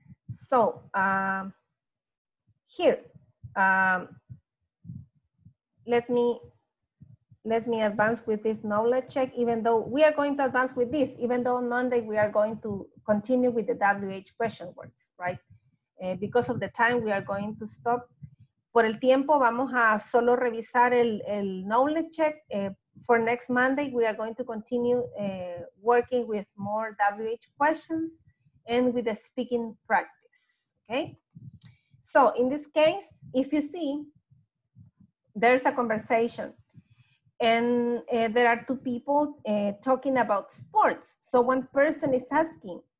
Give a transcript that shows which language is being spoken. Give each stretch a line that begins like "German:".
English: So let me advance with this knowledge check, even though we are going to advance with this, even though on Monday we are going to continue with the WH question words, right? Because of the time, we are going to stop.
Spanish: Por el tiempo, vamos a solo revisar el knowledge check.
English: For next Monday, we are going to continue working with more WH questions and with the speaking practice, okay? So in this case, if you see, there's a conversation. And there are two people talking about sports. So one person is asking,